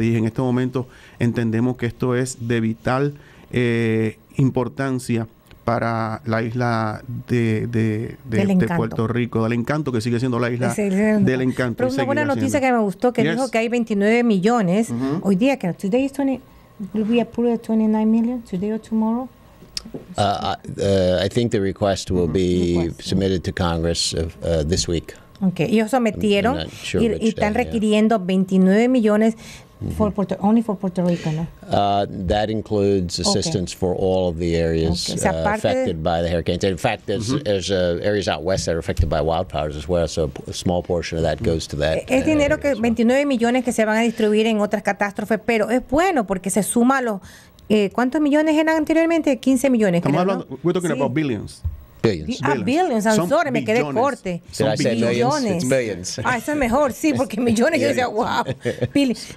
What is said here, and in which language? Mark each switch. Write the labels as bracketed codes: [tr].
[es] Y en este momento entendemos que esto es de vital importancia para la isla de Puerto Rico, del Encanto, que sigue siendo la isla del Encanto. Pero una buena noticia que me gustó, que dijo que hay 29 millones hoy día, que [en] today is 29 million, today or tomorrow. I think the request will be submitted to Congress this week. [es] Okay, ellos sometieron y están requiriendo 29 millones [en] for Puerto Rico, [es] ¿no? [en] That includes assistance for all of the areas affected by the hurricanes. In fact, there's areas out west that are affected by wildfires as well, so a small portion of that goes to that. [es] Es dinero que 29 millones que se van a distribuir en otras catástrofes, pero es bueno porque se suma a los ¿cuántos millones eran anteriormente? 15 millones. Estamos hablando, ¿no? [en] We're talking about billions. Billions. I'm sorry, [es] me quedé corte. [en] Billions. It's billions. [es] Ah, eso es mejor, sí, porque millones. Yo decía, wow. Billions.